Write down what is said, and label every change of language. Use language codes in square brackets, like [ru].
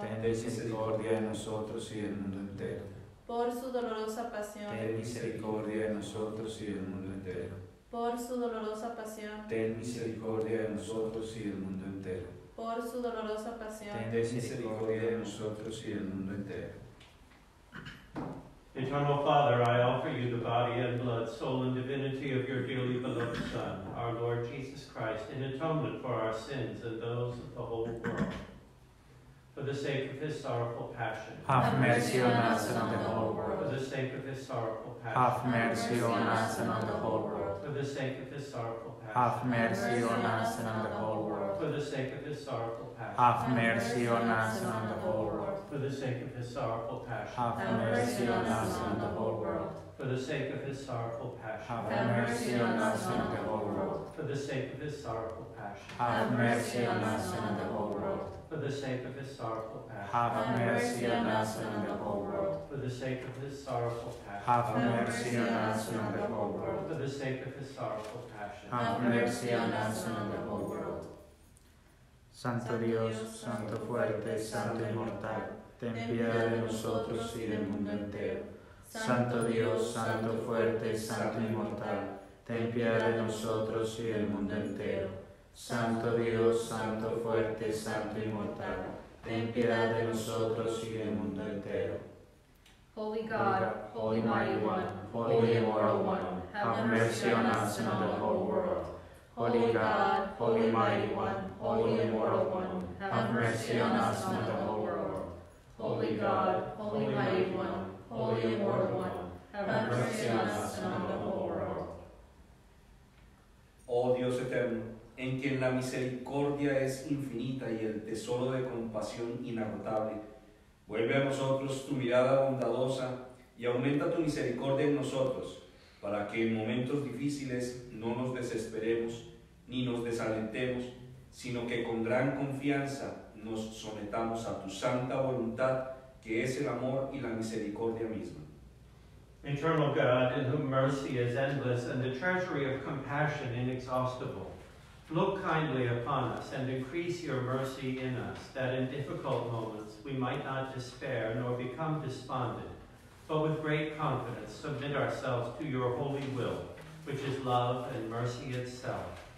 [es] ten misericordia de nosotros y del mundo entero. Por su dolorosa pasión, ten misericordia de nosotros y del mundo entero. Por su dolorosa pasión, ten misericordia de nosotros y del mundo entero. Por su dolorosa pasión, ten misericordia de nosotros y del mundo entero. [en] Eternal Father, I offer you the body and blood, soul and divinity of your dearly beloved Son, our Lord Jesus Christ, in atonement for our sins and those of the whole world. For the sake of his sorrowful passion. Have mercy on us and on the whole world. For the sake of his sorrowful passion. Have mercy on us and on the whole world. For the sake of his sorrowful passion. Have mercy on us and on the whole world. For the sake of his sorrowful passion. Have mercy on us and on the whole world. For the sake of his sorrowful passion. Have mercy on us and on the whole world. For the sake of his sorrowful passion. Have mercy on us and on the whole world. For the sake of his sorrowful passion. Have mercy on us and on the whole world. For the sake of his sorrowful passion. Have mercy on us and on the whole world. For the sake of his sorrowful passion. Have mercy on us and on the whole world. For the sake of his sorrowful passion. Have mercy on us and on the whole world. [es] Santo Dios, Santo Fuerte, Santo Inmortal, ten piedad de nosotros y del mundo entero. Santo Dios, Santo Fuerte, Santo Inmortal, ten piedad de nosotros y del mundo entero. Santo Dios, Santo Fuerte, Santo Inmortal, ten piedad de nosotros y del mundo entero. [en] Holy God, Holy Mighty One, Holy Immortal One, have mercy on us and on the whole world. Holy God, Holy Mighty One, Holy Immortal One, have mercy on us and on the whole world. Holy God, Holy Mighty One, Holy Immortal One, have mercy on us and on the whole world. [es] Oh Dios eterno, en quien la misericordia es infinita y el tesoro de compasión inagotable, vuelve a nosotros tu mirada bondadosa y aumenta tu misericordia en nosotros, para que en momentos difíciles no nos desesperemos ni nos desalentemos, sino que con gran confianza nos sometamos a tu santa voluntad, que es el amor y la misericordia misma. [en] Eternal God, in whom mercy is endless and the treasury of compassion inexhaustible, look kindly upon us and increase your mercy in us, that in difficult moments we might not despair nor become despondent, but with great confidence submit ourselves to your holy will, which is love and mercy itself.